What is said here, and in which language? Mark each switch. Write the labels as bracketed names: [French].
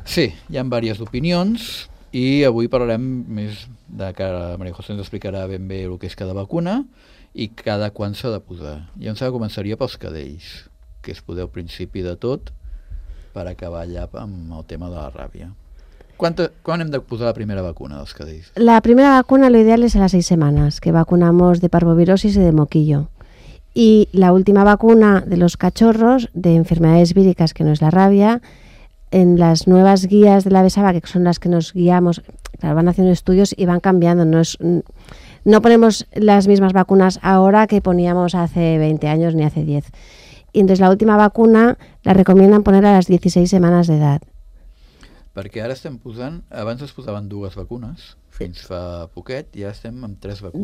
[Catalan] Sí, hi ha diverses opinions i avui parlarem més de que la Maria José ens explicarà ben bé el que és cada vacuna i cada quan s'ha de posar. Jo em sap que començaria pels cadells, que és poder al principi de tot per acabar allà amb el tema de la ràbia. [Spanish] ¿Cuándo hemos de poner la primera vacuna, los cadells? La primera vacuna lo ideal es a las 6 semanas, que vacunamos de parvovirosis y de moquillo. Y la última vacuna de los cachorros, de enfermedades víricas, que no es la rabia, en las nuevas guías de la BESABA, que son las que nos guiamos, claro, van haciendo estudios y van cambiando. No ponemos las mismas vacunas ahora que poníamos hace 20 años ni hace 10. Y entonces la última vacuna la recomiendan poner a las 16 semanas de edad. [Catalan] Perquè ara estem posant, abans es posaven 2 vacunes, fins fa poquet, i ara estem amb 3 vacunes.